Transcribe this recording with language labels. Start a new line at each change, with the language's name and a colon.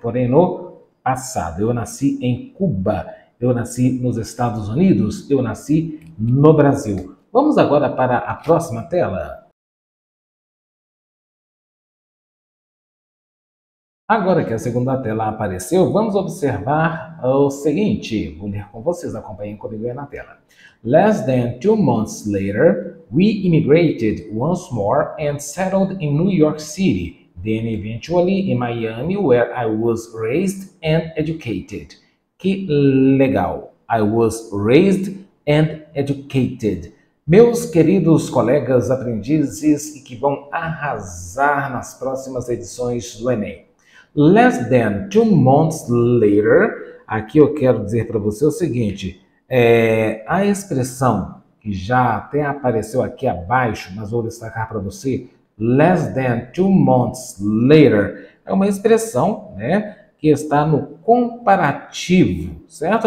Portuguese: Porém, no passado. Eu nasci em Cuba, eu nasci nos Estados Unidos, eu nasci no Brasil. Vamos agora para a próxima tela. Agora que a segunda tela apareceu, vamos observar o seguinte. Vou ler com vocês, acompanhem comigo aí na tela.
English: Less than 2 months later, we immigrated once more and settled in New York City, then eventually in Miami, where I was raised and educated.
Portuguese: Que legal!
English: I was raised and educated.
Portuguese: Meus queridos colegas aprendizes e que vão arrasar nas próximas edições do Enem.
English: Less than 2 months later,
Portuguese: aqui eu quero dizer para você o seguinte: a expressão que já até apareceu aqui abaixo, mas vou destacar para você,
English: less than 2 months later,
Portuguese: é uma expressão, né, que está no comparativo, certo?